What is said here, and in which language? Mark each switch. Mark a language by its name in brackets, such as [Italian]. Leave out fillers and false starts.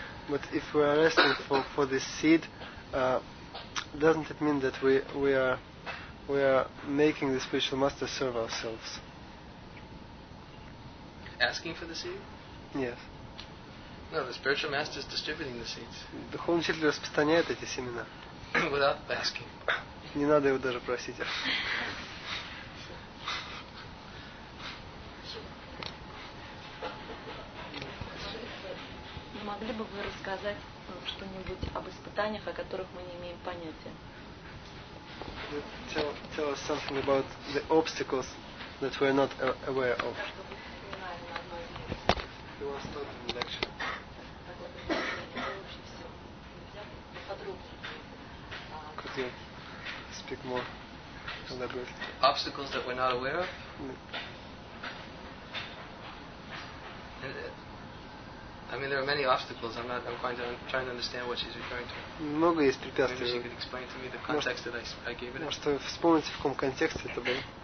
[English] But if we are resting for this seed, doesn't it mean that we are making the spiritual master serve ourselves? Asking for the seed? Yes. No, the spiritual master is distributing the seeds. [Russian] Духовный учитель распространяет эти семена. [English] Without asking. [Russian] Не надо его даже просить. Могли бы вы рассказать что-нибудь об испытаниях, о которых мы не имеем понятия? [English] Tell us something about the obstacles that we're not aware of. You want to start the lecture? Could you speak more elaborately? Obstacles that we're not aware of? I mean, there are many obstacles. I'm trying to understand what she's referring to. [Russian] Много есть препятствий. [English] Maybe she could explain to me the context that I gave it. [Russian] Может, вспомните, в каком контексте это было?